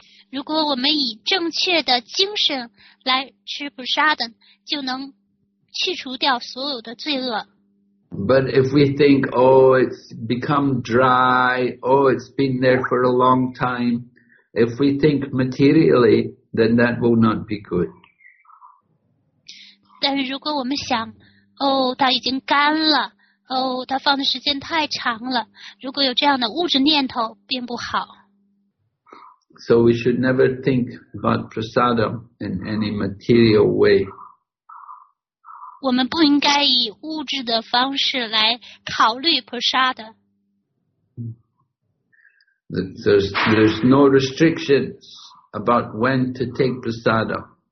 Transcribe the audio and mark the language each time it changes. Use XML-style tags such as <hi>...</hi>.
<zh>如果我们以正确的精神来吃 Prasadam, 就能去除掉所有的罪恶。</zh> <en>But if we think, oh, it's become dry, oh, it's been there for a long time, if we think materially, then that will not be good.</en> <zh>但如果我们想，哦，它已经干了，哦，它放的时间太长了，如果有这样的物质念头，并不好。</zh> <en>So we should never think about prasadam in any material way.</en> <zh>我们不应该以物质的方式来考虑 prasada。</zh> <en>There's no restrictions about when to take prasada.</en>